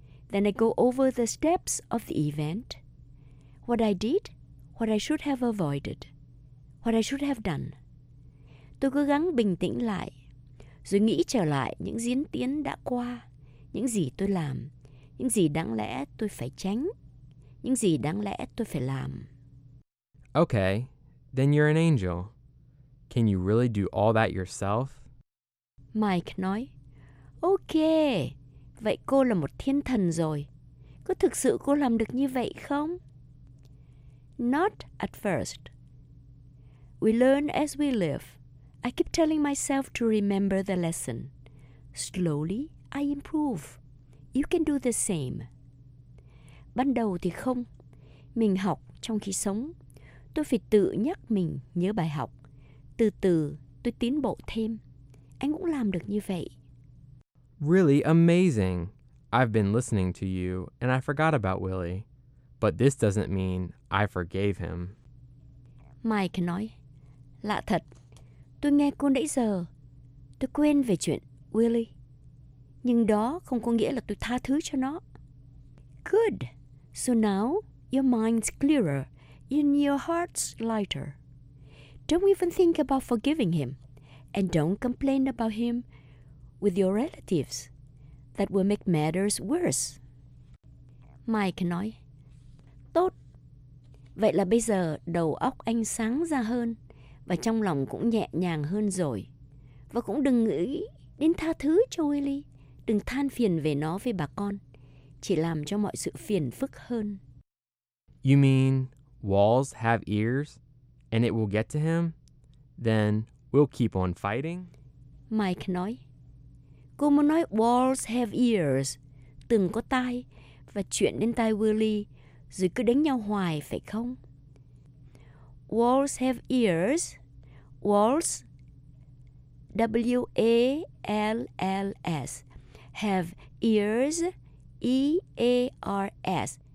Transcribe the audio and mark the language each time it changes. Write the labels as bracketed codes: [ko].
[en] Then I go over the steps of the event. What I did, what I should have avoided, what I should have done. [vi] Tôi cố gắng bình tĩnh lại, rồi nghĩ trở lại những diễn tiến đã qua, những gì tôi làm, những gì đáng lẽ tôi phải tránh, những gì đáng lẽ tôi phải làm. [en] Okay, then you're an angel. Can you really do all that yourself? [vi] Mike nói, okay. Vậy cô là một thiên thần rồi. Có thực sự cô làm được như vậy không? [en] Not at first. We learn as we live. I keep telling myself to remember the lesson. Slowly, I improve. You can do the same. [vi] Ban đầu thì không. Mình học trong khi sống. Tôi phải tự nhắc mình nhớ bài học. Từ từ, tôi tiến bộ thêm. Anh cũng làm được như vậy. [en] Really amazing. I've been listening to you, and I forgot about Willie. But this doesn't mean I forgave him. [vi] Mike nói, lạ thật. Tôi nghe cô nãy giờ. Tôi quên về chuyện Willie. Nhưng đó không có nghĩa là tôi tha thứ cho nó. [en] Good. So now your mind's clearer and your heart's lighter. Don't even think about forgiving him. And don't complain about him with your relatives. That will make matters worse. [vi] Mike nói, tốt. Vậy là bây giờ đầu óc anh sáng ra hơn và trong lòng cũng nhẹ nhàng hơn rồi. Và cũng đừng nghĩ đến tha thứ cho Willie. Đừng than phiền về nó với bà con. Chỉ làm cho mọi sự phiền phức hơn. [en] You mean walls have ears and it will get to him? Then we'll keep on fighting? [vi] Mike nói, cô muốn nói [en] walls have ears, [vi] từng có tai, và chuyện đến tai Willie, rồi cứ đánh nhau hoài, phải không? [en] Walls have ears, walls, W-A-L-L-S, have ears, E-A-R-S.